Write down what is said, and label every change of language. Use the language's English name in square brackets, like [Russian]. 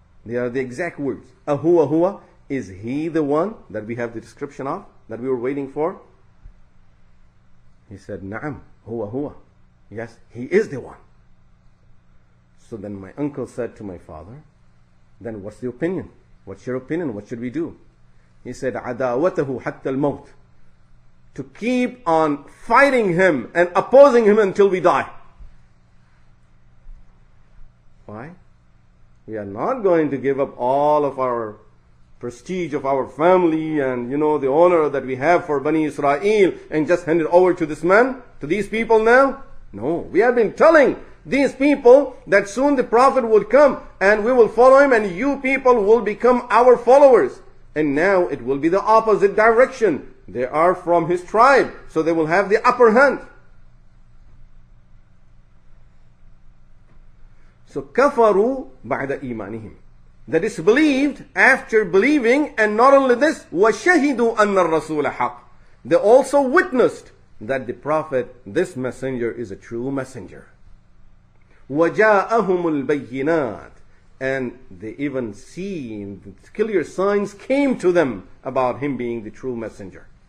[English] They are the exact words. [Arabic] Ahua Hua? [English] Is he the one that we have the description of, that we were waiting for? He said, [Arabic] Naam, Hua Hua. [English] Yes, he is the one. So then my uncle said to my father, then what's the opinion? What's your opinion? What should we do? [Arabic] He said, عَدَاوَتَهُ حَتَّى الْمَوْتِ. [English] To keep on fighting him and opposing him until we die. Why? We are not going to give up all of our prestige of our family and, you know, the honor that we have for Bani Israel and just hand it over to this man, to these people now. No, we have been telling these people that soon the Prophet will come and we will follow him and you people will become our followers. And now it will be the opposite direction. They are from his tribe, so they will have the upper hand. [Arabic] So kafaru ba'da imanihim. [English] They disbelieved after believing, and not only this, [Arabic] washahidu anna ar-rasul haqq. [English] They also witnessed that the Prophet, this messenger, is a true messenger. [Arabic] Waja'ahumul bayyinat. [English] And they even see, the clear signs came to them about him being the true messenger.